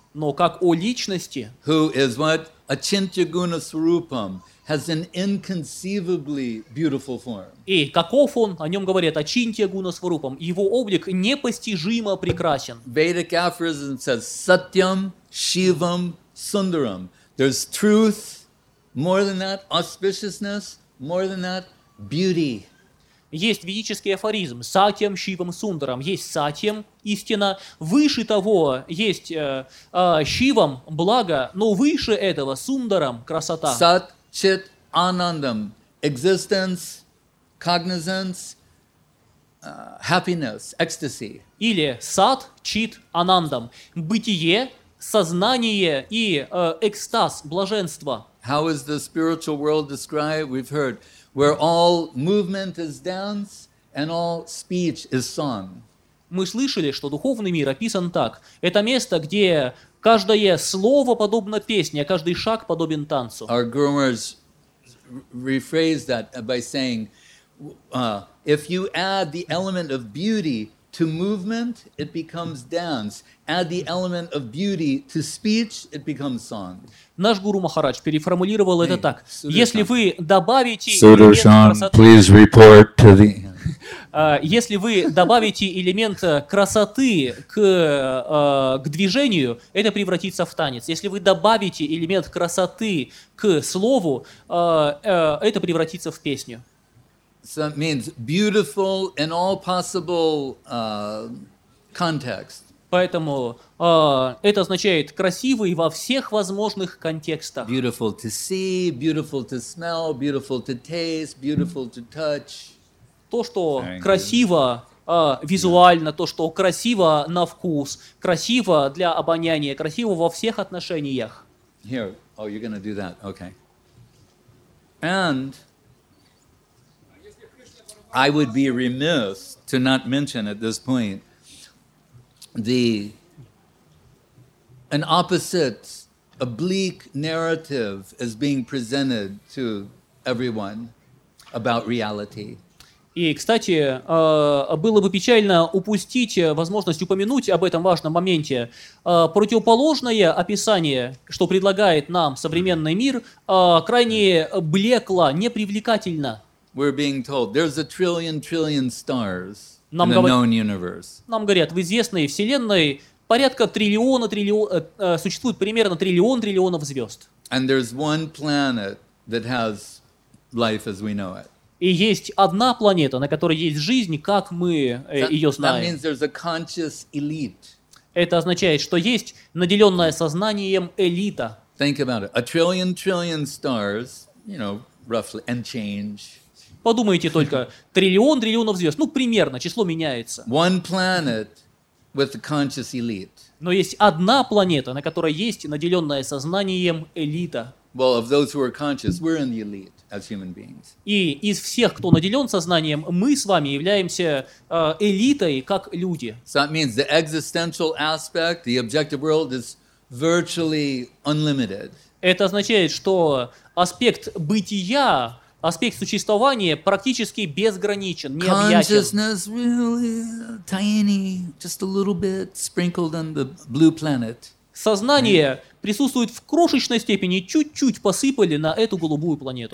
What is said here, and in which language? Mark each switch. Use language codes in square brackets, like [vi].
[ru] но как о личности, [en] who is what Achintya Guna Swarupam. Has an inconceivably beautiful form. [ru] И каков он, о нем говорят, Ачинтья Гуна Сварупам, его облик непостижимо прекрасен. [en] Vedic aphorism says, Satyam, Shivam, Sundaram. There's truth, more than that, auspiciousness, more than that, beauty. [ru] Есть ведический афоризм, Сатьям, Шивам, Сундарам. Есть Сатьям, истина. Выше того, есть Шивам, благо, но выше этого, Сундарам, красота. [en] Сат. Chit Anandam, existence, cognizance, happiness, ecstasy. [ru] Или сад чит анандам, бытие, сознание и экстаз, блаженство. [en] How is the spiritual world described? We've heard where all movement is dance and all speech is song. [ru] Мы слышали, что духовный мир описан так. Это место, где каждое слово подобно песне, а каждый шаг подобен танцу. [en] Our Guru Maharaj rephrased that by saying, if you add the element of beauty to movement, it becomes dance. Add the element of beauty to speech, it becomes song. [ru] Наш Гуру Махарадж переформулировал это так. Если вы добавите... [en] Сударшан, please report to the... [ru] Если вы добавите элемент красоты к движению, это превратится в танец. Если вы добавите элемент красоты к слову, это превратится в песню. [en] So it means beautiful in all possible context. [ru] Поэтому это означает красивый во всех возможных контекстах. [en] Beautiful to see, beautiful to smell, beautiful to taste, beautiful to touch. [ru] То, что красиво визуально, то, что красиво на вкус, красиво для обоняния, красиво во всех отношениях. [en] Here. Oh, you're going to do that. Okay. And I would be remiss to not mention at this point an opposite, oblique narrative is being presented to everyone about reality. [ru] И, кстати, было бы печально упустить возможность упомянуть об этом важном моменте. Противоположное описание, что предлагает нам современный мир, крайне блекло, непривлекательно. [en] We're being told, there's a trillion stars in the known universe. [ru] Нам говорят, в известной вселенной порядка существует примерно триллионов звезд. [en] And there's one planet that has life as we know it. [ru] И есть одна планета, на которой есть жизнь, как мы ее знаем. [en] That means there's a conscious elite. [ru] Это означает, что есть наделенная сознанием элита. [en] Think about it. A trillion stars, you know, roughly, and change. [ru] Подумайте только, триллионов звезд, ну примерно, число меняется. [en] One planet with a conscious elite. [ru] Но есть одна планета, на которой есть наделенная сознанием элита. [en] Well, of those who are conscious, we're in the elite. As human beings. [ru] И из всех, кто наделен сознанием, мы с вами являемся элитой, как люди. [en] So that means the existential aspect, the objective world is virtually unlimited. [ru] Это означает, что аспект бытия, аспект существования практически безграничен, необъятен. [en] Consciousness really tiny, just a little bit sprinkled on the blue planet. [ru] Сознание присутствует в крошечной степени, чуть-чуть посыпали на эту голубую планету.